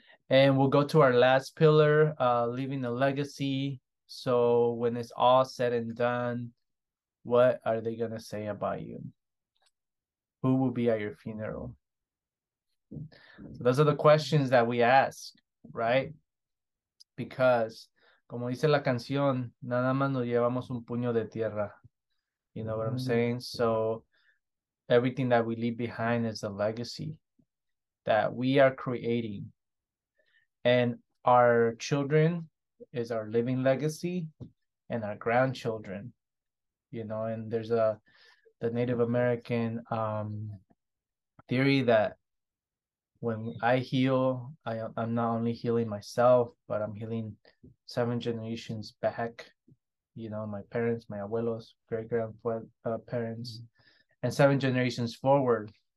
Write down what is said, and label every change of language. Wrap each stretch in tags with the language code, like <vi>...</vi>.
<en>And we'll go to our last pillar, leaving a legacy. So when it's all said and done, what are they gonna say about you? Who will be at your funeral? So those are the questions that we ask, right? Because,</en> <es>como dice la canción, nada más nos llevamos un puño de tierra.</es> <en>You know what I'm saying? So everything that we leave behind is a legacy that we are creating. And our children is our living legacy and our grandchildren, you know, and there's a the Native American theory that when I heal, I'm not only healing myself, but I'm healing seven generations back, you know, my parents, my abuelos, great grandparents, and seven generations forward.</en>